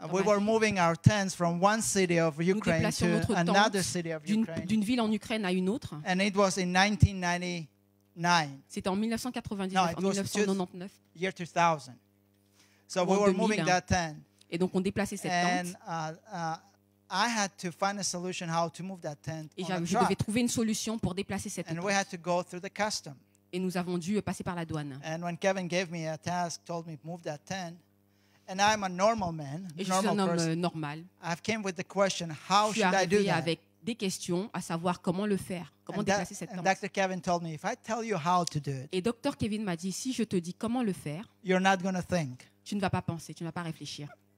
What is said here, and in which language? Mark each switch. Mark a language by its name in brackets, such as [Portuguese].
[English] we were moving our tents from one city of Ukraine to another city of Ukraine. [French] D'une ville en Ukraine à une autre. [English] And it was in 1999. [French] C'était en 1999. [English] Year 2000. So we were moving that tent. [French] Et donc on déplaçait cette tente. [English] And I had to find a solution how to move that tent. [French] Et je devais trouver une solution pour déplacer cette tente. [English] And we had to go through the custom. [French] Et nous avons dû passer par la douane. [English] And when Kevin gave me a task, told me move that tent, and I'm a normal man, [French] et je suis un homme [English] person, [French] normal. [English] I've came with the question, how should I do that? [French] Avec des questions, à savoir comment le faire, comment déplacer cette tente. [English] And Dr. Kevin told me, if I tell you how to do it, [French] et Dr. Kevin m'a dit, si je te dis comment le faire, [English] you're not going to think. [French] Tu ne vas pas penser, tu ne vas pas réfléchir.